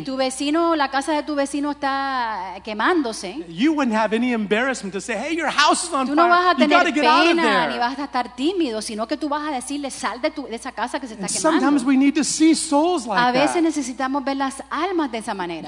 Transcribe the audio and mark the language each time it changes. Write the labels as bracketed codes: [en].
[es] Si tu vecino, la casa de tu vecino está quemándose. [en] You wouldn't have any embarrassment to say, hey, your house is on fire. [es] No vas a tener pena ni vas a estar tímido, sino que tú vas a decirle sal de esa casa que se está quemando. [en] Sometimes we need to see souls like [es] a veces necesitamos ver las almas de esa manera.